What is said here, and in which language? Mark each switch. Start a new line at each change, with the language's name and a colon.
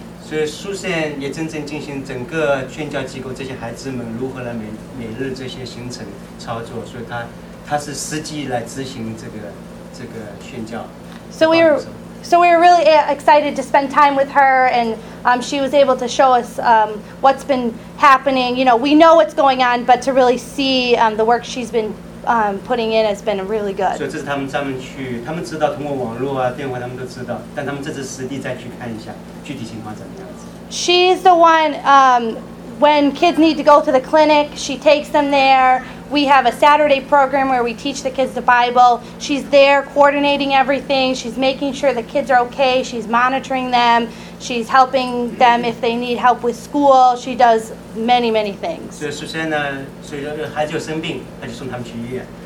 Chinese: 所以苏珊也真正进行整个宣教机构这些孩子们如何来每日这些行程操作，所以他是实际来执行这个宣教。
English: So we were really excited to spend time with her, and she was able to show us what's been happening. You know, we know what's going on, but to really see the work she's been putting in has been really good.
Chinese: 所以这是他们专门去，他们知道通过网络啊、电话，他们都知道，但他们这次实地再去看一下具体情况怎么样子。
English: She's the one, when kids need to go to the clinic, she takes them there. We have a Saturday program where we teach the kids the Bible. She's there coordinating everything. She's making sure the kids are okay. She's monitoring them. She's helping them if they need help with school. She does many, many things.
Chinese: 所以首先呢，所以孩子有生病，他就送他们去医院。